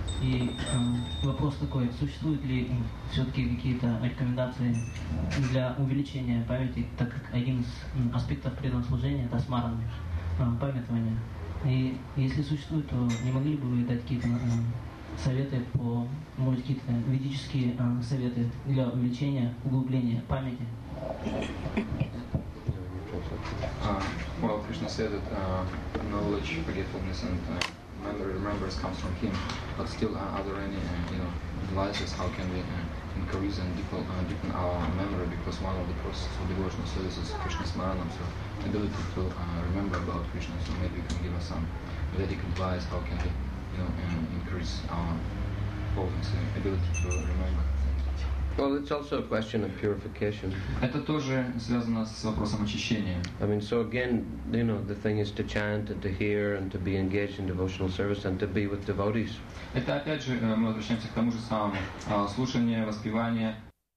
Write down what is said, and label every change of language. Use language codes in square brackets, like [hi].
[ru] И вопрос такой, существуют ли все-таки какие-то рекомендации для увеличения памяти, так как один из аспектов преданного служения – это смарана, памятование. И если существует, то не могли бы вы дать какие-то советы, по, может, какие-то ведические советы для увеличения, углубления памяти? [en] Well, Krishna said that knowledge, forgetfulness, and memory remembers comes from him. But still, are there any devices how can we increase and deepen our memory? Because one of the processes of devotional service is Krishna Smaranam, so ability to remember about Krishna. So maybe you can give us some Vedic advice how can we increase our potency, ability to remember. Well, it's also a question of purification. [ru] Это тоже связано с вопросом очищения. [en] I mean, so again, you know, the thing is to chant and to hear and to be engaged in devotional service and to be with devotees. [ru] Это опять же мы возвращаемся к тому же самому: слушание, воспевание,